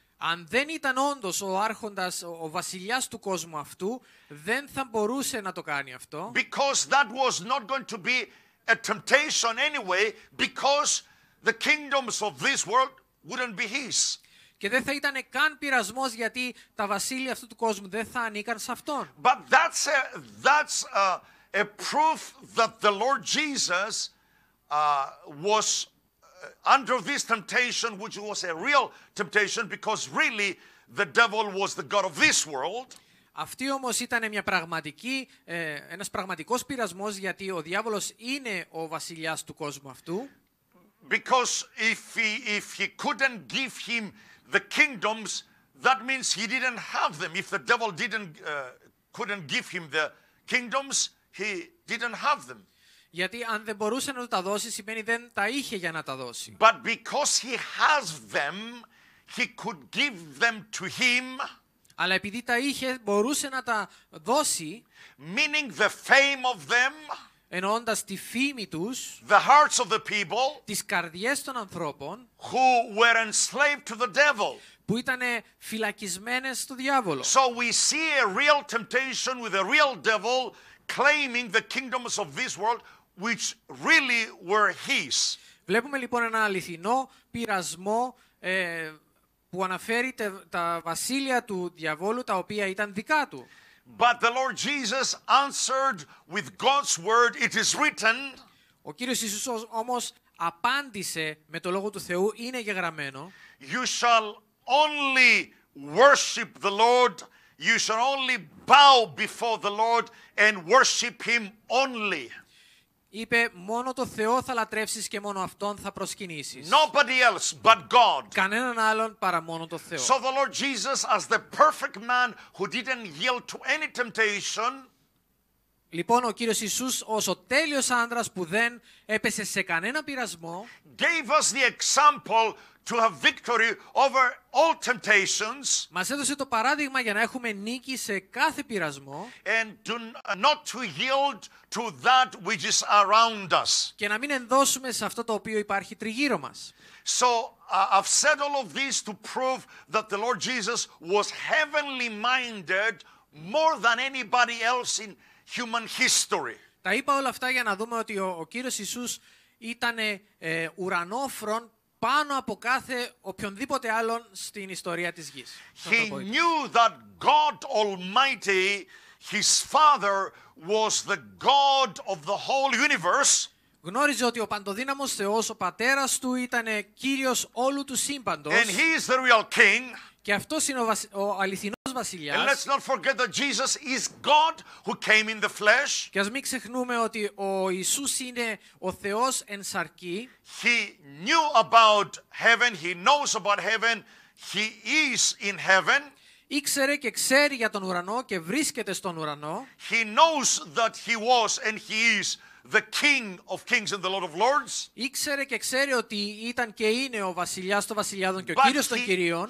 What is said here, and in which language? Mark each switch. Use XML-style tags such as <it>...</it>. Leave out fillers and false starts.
<el>Αν δεν ήταν όντως ο άρχοντας, ο βασιλιάς του κόσμου αυτού, δεν θα μπορούσε να το κάνει αυτό.</el> <en>Because that was not going to be a temptation anyway, because the kingdoms of this world wouldn't be his.</en> <el>Και δεν θα ήταν καν πειρασμός γιατί τα βασίλεια αυτού του κόσμου δεν θα ανήκαν σε αυτόν.</el> <en>But that's a proof that the Lord Jesus was under this temptation, which was a real temptation, because really the devil was the god of this world.</en> <el>Αυτή όμως ήταν μια πραγματική, ένας πραγματικός πειρασμός, γιατί ο διάβολος είναι ο βασιλιάς του κόσμου αυτού.</el> <en>Because if he couldn't give him the kingdoms, that means he didn't have them. If the devil couldn't give him the kingdoms, he didn't have them.</en> <el>Γιατί αν δεν μπορούσε να τα δώσει, σημαίνει δεν τα είχε για να τα δώσει.</el> <en>But because he has them, he could give them to him.</en> <el>Αλλά επειδή τα είχε, μπορούσε να τα δώσει.</el> <en>Meaning the fame of them.</en> <el>Εννοώντας τη φήμη τους.</el> <en>The hearts of the people.</en> <el>Τις καρδιές των ανθρώπων.</el> <en>Who were enslaved to the devil.</en> <el>Που ήταν φυλακισμένες στο διάβολο.</el> <en>So we see a real temptation with a real devil claiming the kingdoms of this world which really were his.</en> <el>Βλέπουμε λοιπόν ένα αληθινό πειρασμό που αναφέρει τα βασίλεια του διαβόλου τα οποία ήταν δικά του.</el> <en>But the Lord Jesus answered with God's word, it is written.</en> <el>Ο Κύριος Ιησούς όμως απάντησε με το λόγο του Θεού είναι γεγραμμένο.</el> <en>You shall only worship the Lord. You shall only bow before the Lord and worship Him only.</en> <el>Είπε, μόνο το Θεό θα λατρεύσεις και μόνο Αυτόν θα προσκυνήσεις.</el> <en>Nobody else but God.</en> <el>Κανέναν άλλον παρά μόνο το Θεό.</el> <en>So the Lord Jesus, as the perfect man who didn't yield to any temptation.</en> <el>Λοιπόν, ο Κύριος Ιησούς, ως ο τέλειος άνδρας που δεν έπεσε σε κανένα πειρασμό,</el> <en>gave us the example to have victory over all temptations.</en> <el>Μας έδωσε το παράδειγμα για να έχουμε νίκη σε κάθε πειρασμό.</el> <en>And to not to yield to that which is around us.</en> <el>Και να μην ενδώσουμε σε αυτό το οποίο υπάρχει τριγύρω μας.</el> <en>So I've said all of this to prove that the Lord Jesus was heavenly minded more than anybody else in human history.</en> <el>Τα είπα όλα αυτά για να δούμε ότι ο Κύριος Ιησούς ήταν ουρανόφρον πάνω από κάθε οποιονδήποτε άλλον στην ιστορία της γης.</el> <en>He knew that God Almighty, His Father, was the God of the whole universe.</en> <el>Γνώριζε ότι ο Παντοδύναμος Θεός, ο Πατέρας Του, ήταν Κύριος όλου του σύμπαντος.</el> <en>And He is the real King.</en> <el>Και αυτός είναι ο αληθινός βασιλιάς.</el> <en>And let's not forget that Jesus is God who came in the flesh.</en> <el>Και ας μην ξεχνούμε ότι ο Ιησούς είναι ο Θεός εν σαρκή.</el> <en>He knew about heaven, He knows about heaven, He is in heaven.</en> <el>Ήξερε και ξέρει για τον ουρανό και βρίσκεται στον ουρανό.</el> <en>He knows that He was and He is the King of Kings and the Lord of Lords.</en> <el>Ήξερε και ξέρει ότι ήταν και είναι ο βασιλιάς των βασιλιάδων και ο Κύριος των Κυρίων.</el>